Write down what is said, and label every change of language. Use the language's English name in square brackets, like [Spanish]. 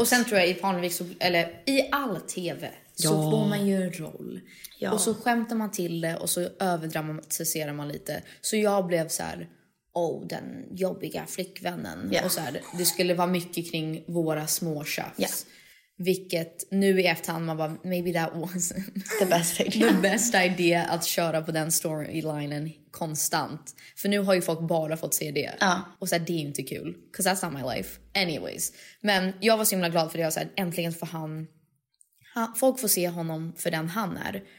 [Swedish] Och sen tror jag i Parnevik, eller i all tv, så får man ju en roll och så skämtar man till det och så överdramatiserar man lite, så jag blev så här: oh, den jobbiga flickvännen och såhär, det skulle vara mycket kring våra små tjafs. Vilket nu i efterhand man bara, [English] maybe that was the best idea. The best idea [Swedish] att köra på den storylinen konstant. För nu har ju folk bara fått se det. Och så här, det är inte kul. [English] Because that's not my life. [Swedish] Anyways. Men jag var så himla glad för det. Jag sa, äntligen får han... Folk får se honom för den han är.